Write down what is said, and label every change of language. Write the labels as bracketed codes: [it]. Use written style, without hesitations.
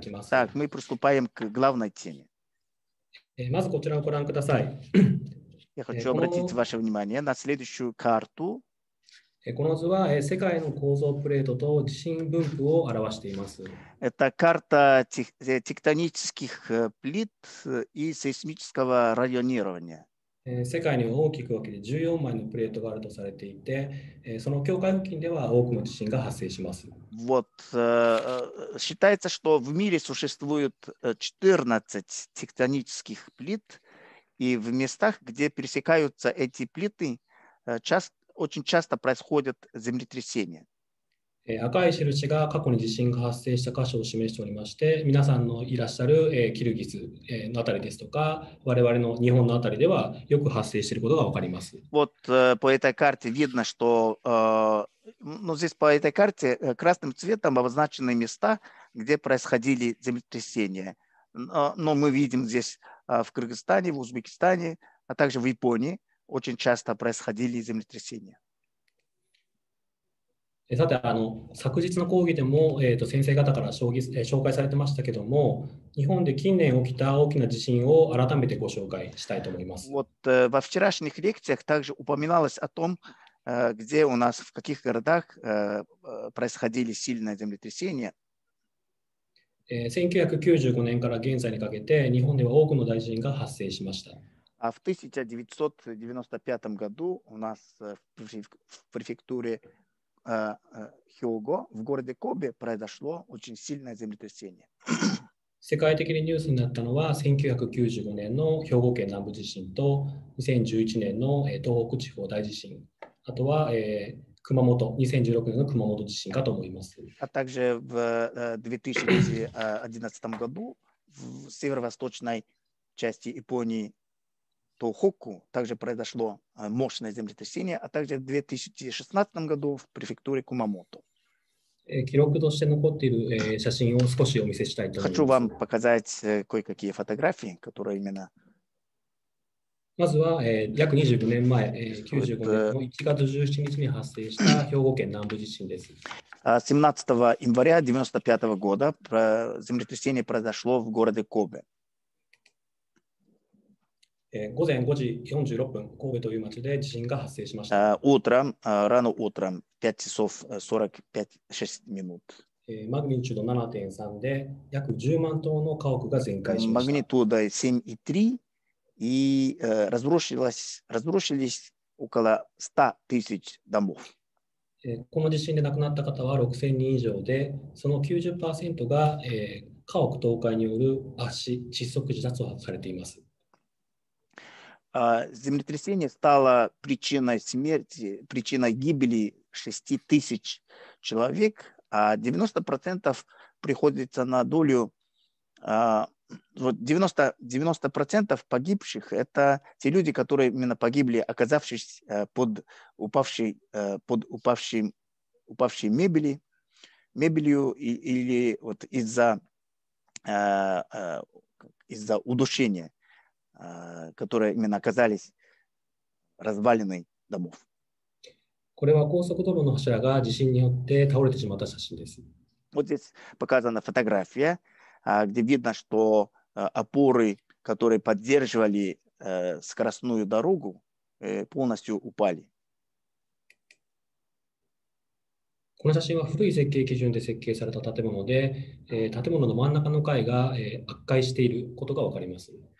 [ru] Так, мы приступаем к главной теме. Я хочу обратить ваше внимание на следующую карту. [ja] この図は世界の構造プレートと地震分布を表しています。 [ru] Это карта тектонических плит и сейсмического районирования. [ja] 世界には大きく分けて14枚のプレートがあるとされていて、その境界付近では多くの地震が発生します。 [ru] Вот, считается, что в мире существует 14 тектонических плит, и в местах, где пересекаются эти плиты, очень часто происходят землетрясения. [ja] 赤い印が過去に地震が発生した箇所を示しておりまして、皆さんのいらっしゃるキルギスのあたりですとか、我々の日本のあたりではよく発生していることがわかります。 [ru] Вот по этой карте видно, что ну, здесь по этой карте красным цветом обозначены места, где происходили землетрясения. Но мы видим здесь в Кыргызстане, в Узбекистане, а также в Японии. Очень часто происходили землетрясения. [ja] さて、昨日の講義でも、先生方から紹介されてましたけども、日本で近年起きた大きな地震を改めてご紹介したいと思います。 [ru] Вот, во вчерашних лекциях также упоминалось о том, где у нас, в каких городах происходили сильные землетрясения. [ja] 1995年から現在にかけて、日本では多くの大地震が発生しました。 [ru] А в 1995 году у нас в префектуре Хиого, в городе Кобе, произошло очень сильное землетрясение. [ja] 世界的にニュースになったのは1995年の兵庫県南部地震と2011年の東北地方大地震、あとは熊本、2016年の熊本地震かと思います。 [ru] А также в 2011 году в северо-восточной части Японии Тохоку также произошло мощное землетрясение, а также в 2016 году в префектуре Кумамото. [ja] 記録として残っている写真を少しお見せしたいと思います。 [ru] Хочу вам показать кое-какие фотографии, которые именно... [ja] まずは、約25年前、95年の1月17日に発生した兵庫県南部地震です。 [ru] 17 января 95 года землетрясение произошло в городе Кобе. [ja] 午前5時46分、神戸という町で地震が発生しました。 [ru] Утром, рано утром, 5 часов 45-6 минут. [ja] マグニチュード 7.3 で約10万棟の家屋が全壊しました。 [ru] マグニチュード 7.3 и разрушились около 100 тысяч домов. [ja] この地震で亡くなった方は6000人以上で、その 90% が家屋倒壊による圧死、窒息自殺をされています。 [ru] Землетрясение стало причиной смерти, причиной гибели 6 тысяч человек, а 90% приходится на долю, вот 90% погибших – это те люди, которые именно погибли, оказавшись под упавшей мебелью или вот из-за удушения. Которые именно оказались развалины домов. Вот здесь показана фотография, где видно, что опоры, которые поддерживали скоростную дорогу, полностью упали. [ja] この写真は古い設計基準で設計された建物で、建物の真ん中の階が圧壊していることがわかります。